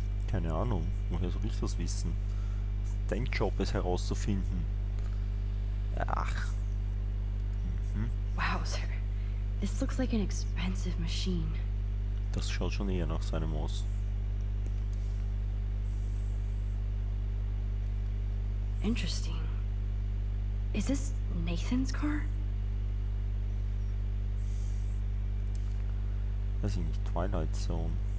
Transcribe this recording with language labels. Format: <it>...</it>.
<de>Keine Ahnung, woher soll ich das wissen? Dein Job ist herauszufinden. Ach.</de> <en>Mhm. Wow, Sir. This looks like an expensive machine.</en> <de>Das schaut schon eher nach seinem aus.</de> <en>Interesting. Is this Nathan's car?</en> <de>Weiß ich nicht, Twilight Zone.</de>